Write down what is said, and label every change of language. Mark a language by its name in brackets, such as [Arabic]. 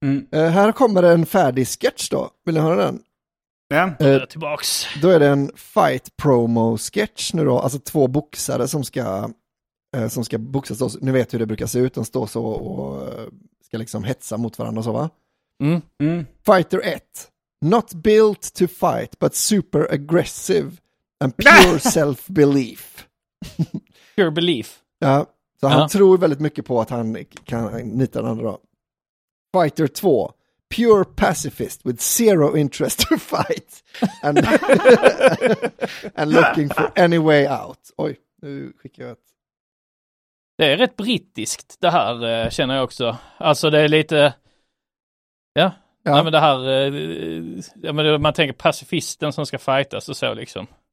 [Swedish] Här kommer en färdig sketch då. Vill ni höra den? Ja, jag är tillbaks. Då är det en fight promo sketch nu då. Alltså två boxare som ska boxas. Ni vet hur det brukar se ut. De står så och ska liksom hetsa mot varandra så va? Fighter 1. [English] Not built to fight, but super aggressive and pure self-belief. Pure belief. [Swedish] Ja. Så han tror väldigt mycket på att han kan nita den andra. Fighter 2. [English] pure pacifist with zero interest to fight and and looking for any way out. [Swedish] Oj, nu fick jag ett. Det är rätt brittiskt det här, känner jag också. Alltså det är lite ja. Nej, men det här, ja, men man tänker pacifisten som ska fightas och så liksom.